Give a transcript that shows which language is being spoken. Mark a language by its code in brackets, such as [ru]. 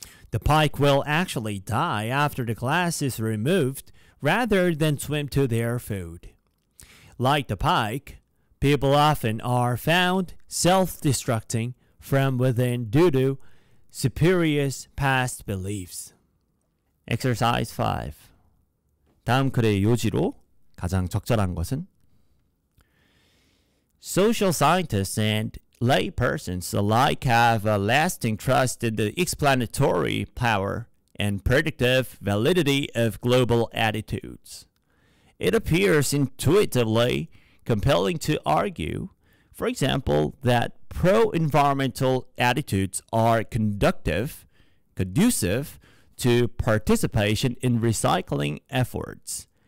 [en] The pike will actually die after the glass is removed rather than swim to their food. Like the pike, people often are found self-destructing from within due to spurious past beliefs. Exercise 5. [ko] 다음 글의 요지로 가장 적절한 것은? [en] Social scientists and laypersons alike have a lasting trust in the explanatory power and predictive validity of global attitudes. It appears intuitively compelling to argue, for example, that pro-environmental attitudes are conducive to participation in recycling efforts.